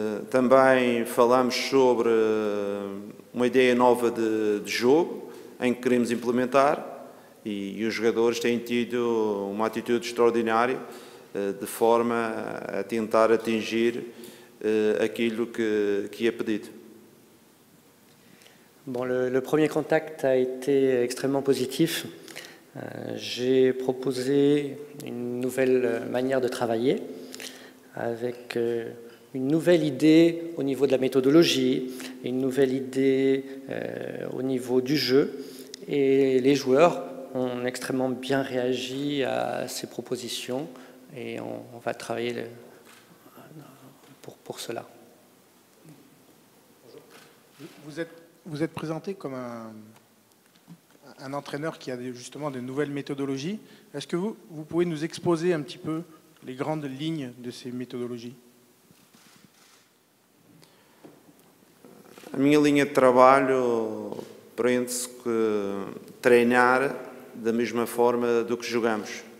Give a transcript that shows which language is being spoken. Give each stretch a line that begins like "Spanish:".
Portuguese: Também falamos sobre uma ideia nova de jogo em que queremos implementar e os jogadores têm tido uma atitude extraordinária de forma a tentar atingir aquilo que é pedido.
French: Bon, le premier contact a été extrêmement positif. J'ai proposé une nouvelle manière de travailler avec une nouvelle idée au niveau de la méthodologie, une nouvelle idée au niveau du jeu et les joueurs ont extrêmement bien réagi à ces propositions. Et on va travailler pour cela. Vous êtes présenté comme un entraîneur qui a justement des nouvelles méthodologies. Est-ce que vous pouvez nous exposer un petit peu les grandes lignes de ces méthodologies ?
Portuguese: A minha linha de trabalho prende-se que treinar da mesma forma do que jogamos.